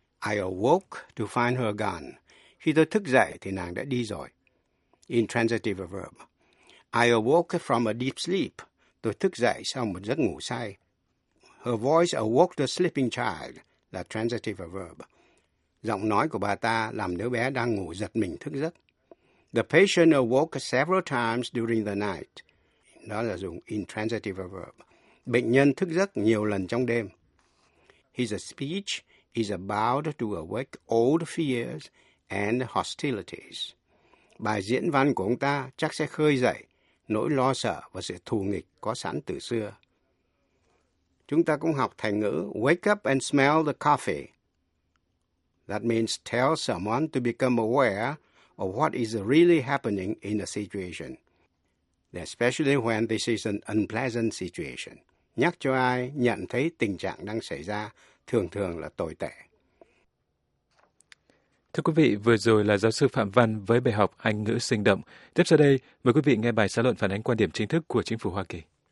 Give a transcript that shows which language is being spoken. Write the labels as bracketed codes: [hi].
[en] I awoke to find her gone. [vi] Khi tôi thức dậy thì nàng đã đi rồi. [en] Intransitive verb. I awoke from a deep sleep. [vi] Tôi thức dậy sau một giấc ngủ say. [en] Her voice awoke the sleeping child. [vi] Là transitive verb. Giọng nói của bà ta làm đứa bé đang ngủ giật mình thức giấc. [en] The patient awoke several times during the night. [vi] Đó là dùng intransitive verb. Bệnh nhân thức giấc nhiều lần trong đêm. [en] His speech is about to awake old fears and hostilities. [vi] Bài diễn văn của ông ta chắc sẽ khơi dậy nỗi lo sợ và sự thù nghịch có sẵn từ xưa. Chúng ta cũng học thành ngữ [en] wake up and smell the coffee. That means tell someone to become aware of what is really happening in a situation, especially when this is an unpleasant situation. [vi] Nhắc cho ai nhận thấy tình trạng đang xảy ra thường thường là tồi tệ. Thưa quý vị, vừa rồi là giáo sư Phạm Văn với bài học Anh ngữ sinh động. Tiếp sau đây, mời quý vị nghe bài xã luận phản ánh quan điểm chính thức của chính phủ Hoa Kỳ.